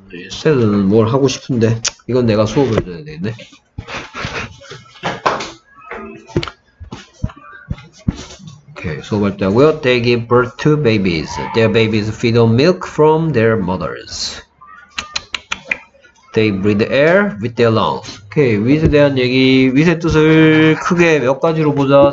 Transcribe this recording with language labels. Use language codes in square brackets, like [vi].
[ko] 쟤는 뭘 하고 싶은데 이건 내가 수업을 줘야 되겠네. 오케이, 수업할 때 하고요. [en] They give birth to babies. Their babies feed on milk from their mothers. They breathe air with their lungs. [ko] 오케이, 윗에 대한 얘기, 윗의 뜻을 크게 몇 가지로 보자?